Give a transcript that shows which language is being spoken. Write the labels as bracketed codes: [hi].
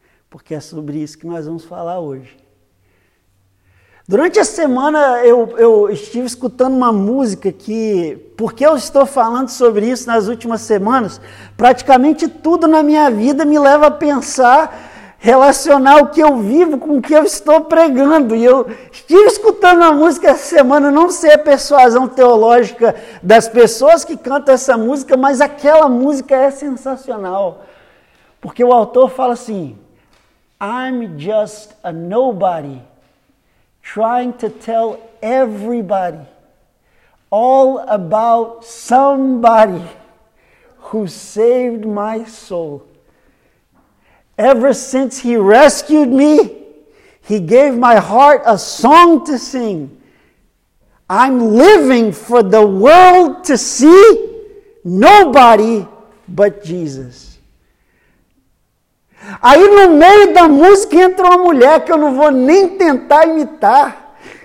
[pt] porque é sobre isso que nós vamos falar hoje. Durante a semana eu estive escutando uma música que, porque eu estou falando sobre isso nas últimas semanas, praticamente tudo na minha vida me leva a pensar, relacionar o que eu vivo com o que eu estou pregando. E eu estive escutando uma música essa semana, não sei a persuasão teológica das pessoas que cantam essa música, mas aquela música é sensacional. Porque o autor fala assim: [en] I'm just a nobody, trying to tell everybody all about somebody who saved my soul. Ever since he rescued me, he gave my heart a song to sing. I'm living for the world to see nobody but Jesus. [pt] Aí no meio da música entra uma mulher que eu não vou nem tentar imitar.